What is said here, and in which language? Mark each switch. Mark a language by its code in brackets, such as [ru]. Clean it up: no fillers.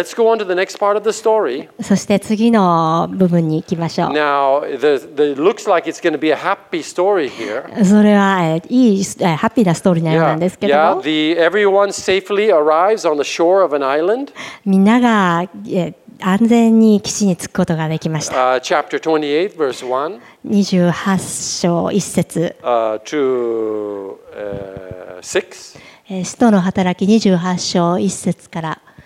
[ja] そして次の部分に行きましょう。それはいいハッピーなストーリーのようなんですけども、 [en] Everyone safely arrives on the shore of an island. [ja] みんなが安全に岸に着くことができました。 [en] Chapter 28, verse 1. 28 [ja] 章1節。 [en] To 6. [ja] 使徒の働き28章1節から。